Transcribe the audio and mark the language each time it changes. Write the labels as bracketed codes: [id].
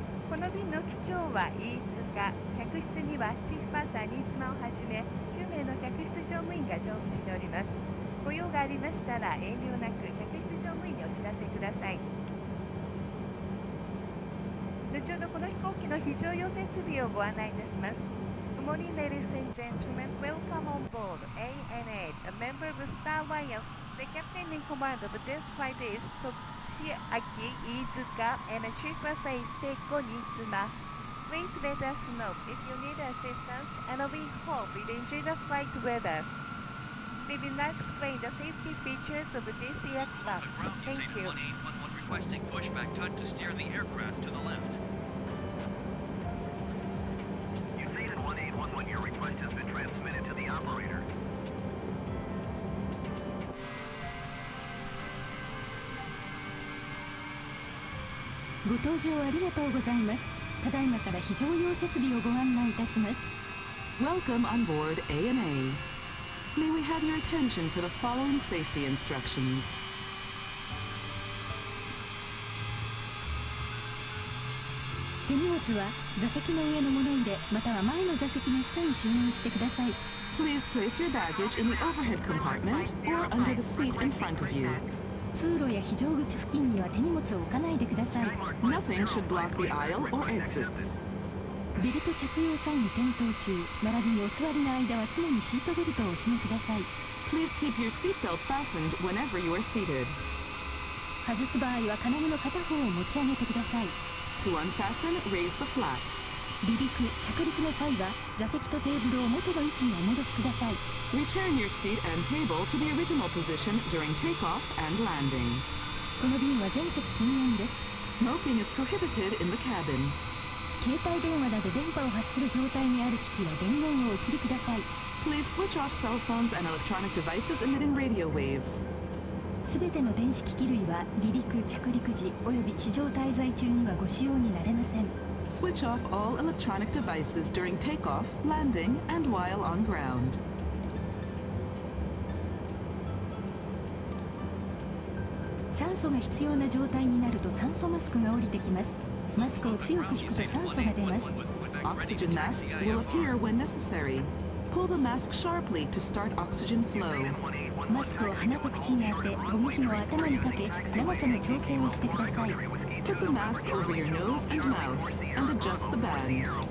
[ja] この便の機長は飯塚、客室にはチーフパーサー新妻をはじめ9名の客室乗務員が乗務しております。ご用がありましたら遠慮なく客室乗務員にお知らせください。後ほどこの飛行機の非常用設備をご案内いたします。 [en] Good morning, ladies and gentlemen. Welcome on board ANA. A member of Star Alliance, the captain in command of this flight is Tochiaki Iizuka and chief passenger is Seiko Nitsuma. Please let us know if you need assistance and we hope you enjoy the flight with us. We will now explain the safety features of this aircraft. Thank you. 1811 requesting pushback tug to steer the aircraft to the left. [ja] ご搭乗ありがとうございます。ただいまから非常用設備をご案内いたします。 [en] Welcome on board ANA. May we have your attention for the following safety instructions. [ja] 手荷物は座席の上の物入れまたは前の座席の下に収納してください。 [en] Please place your baggage in the overhead compartment or under the seat in front of you. [ja] 通路や非常口付近には手荷物を置かないでください。 [en] Nothing should block the aisle or exits. [ja] ベルト着用際に転倒中並びにお座りの間は常にシートベルトをお締めください。 [en] Please keep your seatbelt fastened whenever you are seated. [ja] 外す場合は金具の片方を持ち上げてください。 [en] To unfasten, raise the flap. [ja] 離陸、着陸の際は座席とテーブルを元の位置にお戻しください。 [en] Return your seat and table to the original position during takeoff and landing. [ja] この便は全席禁煙です。 [en] Smoking is prohibited in the cabin. [ja] 携帯電話など電波を発する状態にある機器は電源をお切りください。 [en] Please switch off cell phones and electronic devices emitting radio waves. [ja] すべての電子機器類は離陸着陸時および地上滞在中にはご使用になれません。 [en] Switch off all electronic devices during takeoff, landing, and while on ground. [ja] が必要な状態になると酸素マスクが降りてきます。マスクを強く引くと酸素が出ます。 [en] Oxygen masks will appear when necessary. Pull the mask sharply to start oxygen flow. [ja] マスクを鼻と口に当て、ゴム紐を頭にかけ、長さの調整をしてください。 [en] Put the mask over your nose and mouth and adjust the band.